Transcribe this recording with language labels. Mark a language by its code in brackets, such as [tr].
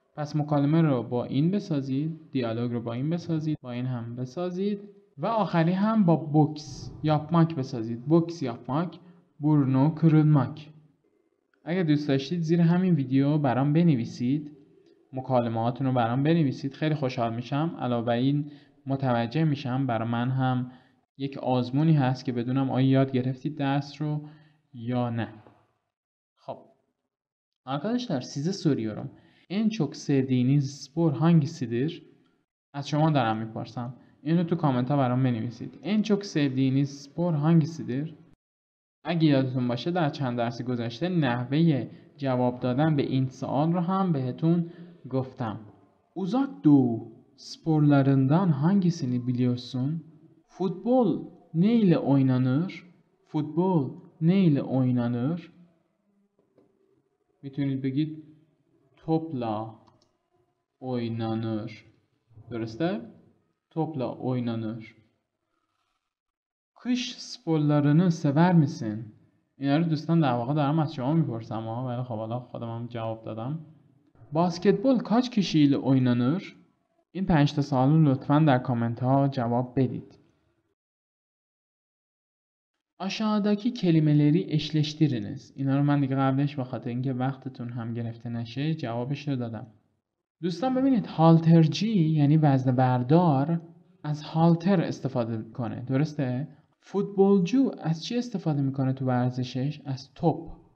[fa] پس مکالمه رو با این بسازید، دیالوگ رو با این بسازید، با این هم بسازید و آخری هم با بوکس یاپماک بسازید. [tr] بوکس یاپماک، برنو کرولماک. [fa] اگر دوست داشتید زیر همین ویدیو برام بنویسید، مکالماتون رو برام بنویسید، خیلی خوشحال میشم. علاوه بر این متوجه میشم برای من هم یک آزمونی هست که بدونم آیا یاد گرفتید درس رو یا نه. [tr] خب arkadaşlar size soruyorum. En çok sevdiğiniz spor hangisidir? [fa] از شما دارم میپرسم. اینو تو کامنت ها برام بنویسید. [tr] En çok sevdiğiniz spor hangisidir? [fa] اگه یادتون باشه در چند درس گذشته نحوه جواب دادن به این سوال رو هم بهتون گفتم. [tr] Uzak Doğu sporlarından hangisini biliyorsun? Futbol ne ile oynanır? Futbol ne ile oynanır? [fa] میتونید بگید [tr] topla oynanır. [fa] درسته؟ [tr] topla oynanır. Kış sporlarını sever misin? [fa] اینا رو دوستان در واقع دارم از شما میپرسم ها، ولی خب حالا خودم هم جواب دادم. [tr] Basketbol kaç kişiyle oynanır? [fa] این 5 تا سوال رو لطفاً در کامنت ها جواب بدید. [tr] Aşağıdaki kelimeleri eşleştiriniz. [fa] اینا رو من دیگه قبلش به خاطر اینکه وقتتون هم گرفته نشه جوابش رو دادم. دوستان ببینید هالترجی یعنی وزنه بردار از هالتر استفاده میکنه. درسته؟ فوتبالجو از چی استفاده میکنه تو ورزشش؟ از توپ.